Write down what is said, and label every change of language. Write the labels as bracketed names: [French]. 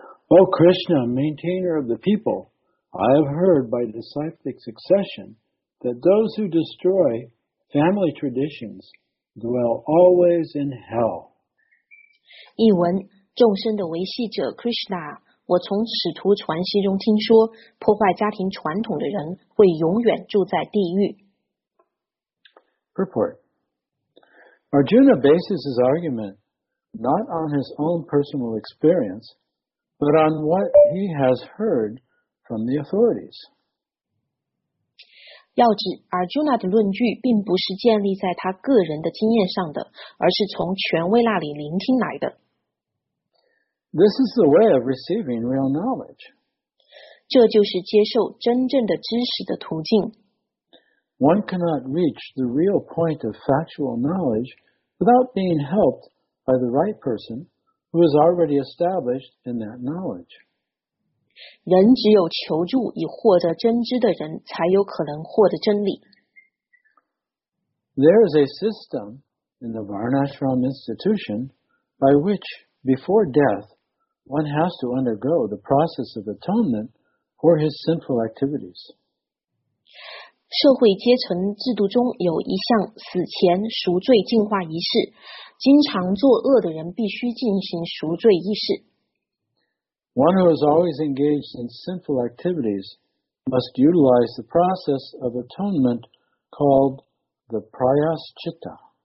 [English] O Krishna, maintainer of the people, I have heard by disciplic succession that those who destroyFamily traditions dwell always in hell. [Chinese] 译文：众生的维系者 Krishna， 我从使徒传习中听说，破坏家庭传统的人会永远住在地狱。 [English] Purport: Arjuna bases his argument not on his own personal experience, but on what he has heard from the authorities. [Chinese] 要指 Arjuna 的论据并不是建立在他个人的经验上的，而是从权威那里聆听来的。 [English] This is the way of receiving real knowledge. [Chinese] 这就是接受真正的知识的途径。 [English] One cannot reach the real point of factual knowledge without being helped by the right person who is already established in that knowledge. [Chinese] 人只有求助以获得真知的人才有可能获得真理。 [English] There is a system in the Varnashram institution by which before death one has to undergo the process of atonement for his sinful activities. [Chinese] 社会阶层制度中有一项死前赎罪净化仪式，经常作恶的人必须进行赎罪仪式。 [English] One who is always engaged in sinful activities must utilize the process of atonement called the prayaschitta.